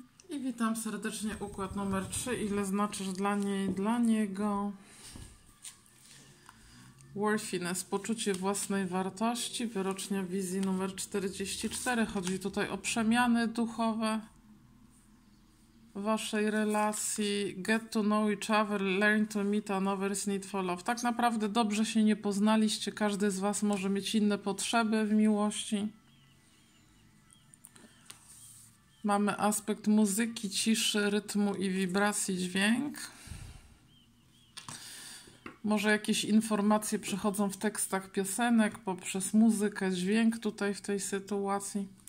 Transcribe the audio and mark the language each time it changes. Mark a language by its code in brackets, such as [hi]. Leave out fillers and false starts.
[pl] I witam serdecznie układ numer 3. Ile znaczysz dla niej, dla niego? Worthiness, poczucie własnej wartości, wyrocznia wizji numer 44. Chodzi tutaj o przemiany duchowe waszej relacji. [en] Get to know each other, learn to meet another's need for love. [pl] Tak naprawdę dobrze się nie poznaliście, każdy z was może mieć inne potrzeby w miłości. Mamy aspekt muzyki, ciszy, rytmu i wibracji, dźwięk. Może jakieś informacje przychodzą w tekstach piosenek, poprzez muzykę, dźwięk tutaj w tej sytuacji.